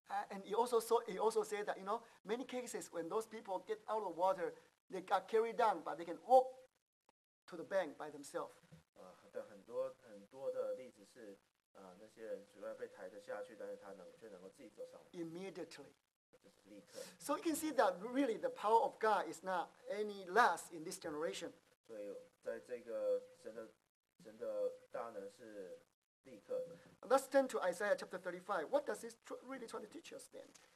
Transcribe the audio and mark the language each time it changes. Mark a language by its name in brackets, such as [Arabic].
[English] And he also said that, you know, many cases when those people get out of water, they got carried down, but they can walk to the bank by themselves. [Chinese] 很多的例子是那些人主要被抬着下去，但是他却能够自己走上来。 [English] Immediately. So you can see that really the power of God is not any less in this generation. [Chinese] 所以在这个神的大能是立刻的。 [English] Let's turn to Isaiah chapter 35. What does this really try to teach us then?